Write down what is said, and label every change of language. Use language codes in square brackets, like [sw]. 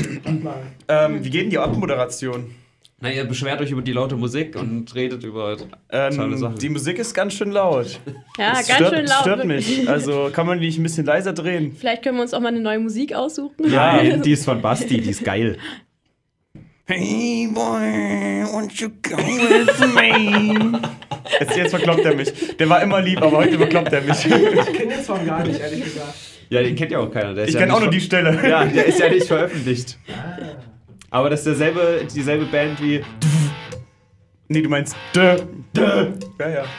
[de] Wie geht denn die Abmoderation? Na, ihr beschwert euch über die laute Musik und redet über tolle Sachen. Die Musik ist ganz schön laut. Ja, das ganz stört, schön laut. Stört mich. Also kann man die nicht ein bisschen leiser drehen? Vielleicht können wir uns auch mal eine neue Musik aussuchen. Nein, die ist von Basti, die ist geil. [en] Hey boy, won't you come with me? [de] Jetzt verkloppt er mich. Der war immer lieb, aber heute verkloppt er mich. Ich kenne den Song gar nicht, ehrlich gesagt. Ja, den kennt ja auch keiner. Der ist ich kenne auch nur die Stelle. Ja, der ist ja nicht veröffentlicht. Aber das ist dieselbe Band wie. Nee, du meinst. Dö. Ja, ja.